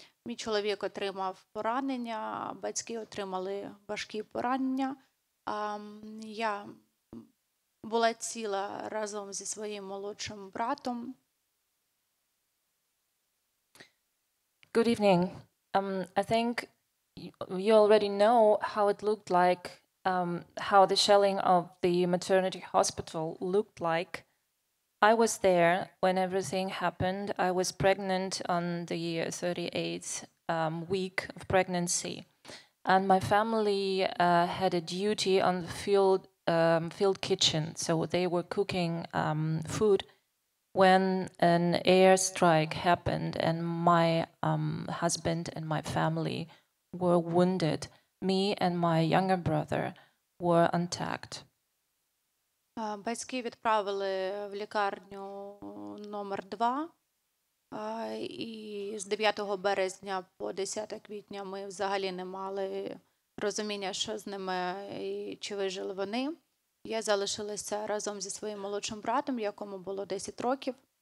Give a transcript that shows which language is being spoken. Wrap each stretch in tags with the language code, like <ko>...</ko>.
<uk>Мій чоловік отримав поранення, батьки отримали важкі поранення. Я була ціла разом зі своїм молодшим братом.</uk> <en>Good evening. I think you already know how it looked like, how the shelling of the maternity hospital looked like. I was there when everything happened. I was pregnant on the 38th week of pregnancy. And my family had a duty on the field kitchen. So they were cooking food when an airstrike happened and my husband and my family were wounded, me and my younger brother were attacked.</en> <uk>Батьки відправили в лікарню номер 2. І з 9 березня по 10 квітня ми взагалі не мали розуміння, що з ними і чи вижили вони. Я залишилася разом зі своїм молодшим братом, якому було 10 років.</uk>